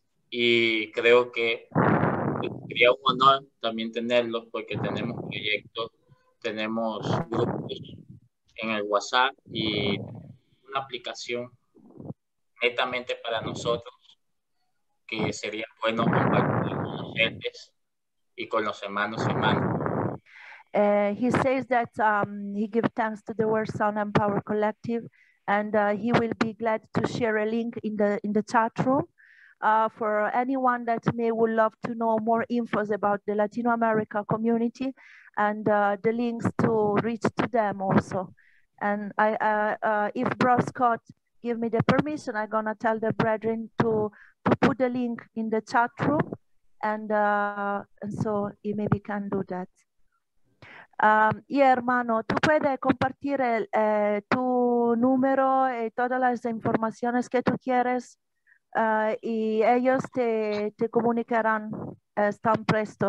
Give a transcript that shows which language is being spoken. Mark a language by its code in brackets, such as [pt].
[es] y creo que sería un honor también tenerlos, porque tenemos proyectos, tenemos grupos en el WhatsApp y una aplicación netamente para nosotros, que sería bueno compartir con los gentes y con los hermanos y hermanas. [en] He says that he gives thanks to the World Sound and Power Collective, and he will be glad to share a link in the chat room For anyone that may would love to know more infos about the Latino America community and the links to reach to them also. And I, if Bro Scott give me the permission, I'm gonna tell the brethren to put the link in the chat room, and so you maybe can do that. [es] Hermano, tú puedes compartir el, tu número y todas las informaciones que tú quieres, y ellos te, te comunicarán tan presto.